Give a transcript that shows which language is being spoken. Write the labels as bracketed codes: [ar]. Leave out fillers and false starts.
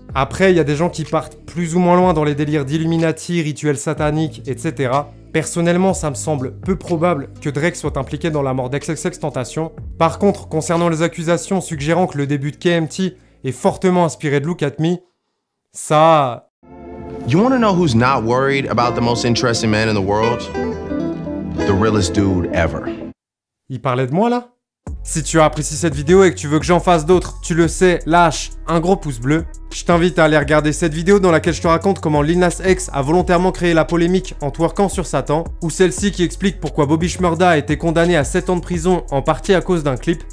[fr] Après, il y a des gens qui partent plus ou moins loin dans les délires d'Illuminati, rituels sataniques, etc. Personnellement, ça me semble peu probable que Drake soit impliqué dans la mort d'XXXTentacion. Par contre, concernant les accusations suggérant que le début de KMT est fortement inspiré de Look At Me, ça... [en] You wanna know who's not worried about the most interesting man in the world? The realest dude ever. [fr] Il parlait de moi, là ? Si tu as apprécié cette vidéo et que tu veux que j'en fasse d'autres, tu le sais, lâche un gros pouce bleu. Je t'invite à aller regarder cette vidéo dans laquelle je te raconte comment Lil Nas X a volontairement créé la polémique en twerkant sur Satan, ou celle-ci qui explique pourquoi Bobby Shmurda a été condamné à 7 ans de prison en partie à cause d'un clip.